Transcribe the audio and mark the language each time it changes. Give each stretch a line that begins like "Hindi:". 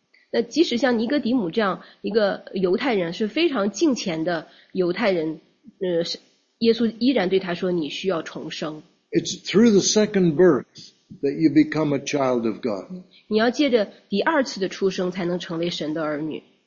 Chinese: 那即使像尼哥底母这样一个犹太人，是非常敬虔的犹太人，耶稣依然对他说，你需要重生。
English: It's through the second birth that you become a child of God.
Chinese: 你要借着第二次的出生才能成为神的儿女。